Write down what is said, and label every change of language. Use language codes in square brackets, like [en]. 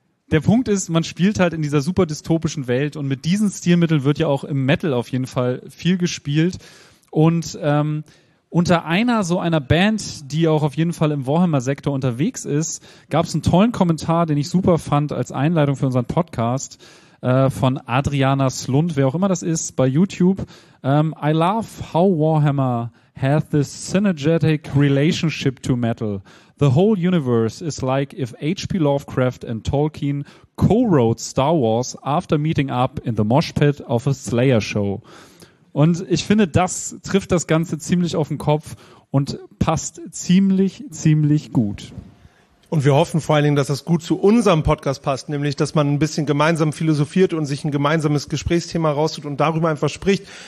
[de] Der Punkt ist, man spielt halt in dieser super dystopischen Welt, und mit diesen Stilmitteln wird ja auch im Metal auf jeden Fall viel gespielt. Und unter einer so einer Band, die auch auf jeden Fall im Warhammer-Sektor unterwegs ist, gab es einen tollen Kommentar, den ich super fand als Einleitung für unseren Podcast, von Adriana Slund, wer auch immer das ist, bei YouTube. [en] I love how Warhammer has this synergetic relationship to metal. The whole universe is like if H.P. Lovecraft and Tolkien co-wrote Star Wars after meeting up in the mosh pit of a Slayer show. [de] Und ich finde, das trifft das Ganze ziemlich auf den Kopf und passt ziemlich, ziemlich gut. Und wir hoffen vor allen Dingen, dass das gut zu unserem Podcast passt, nämlich, dass man ein bisschen gemeinsam philosophiert und sich ein gemeinsames Gesprächsthema raussucht und darüber einfach spricht.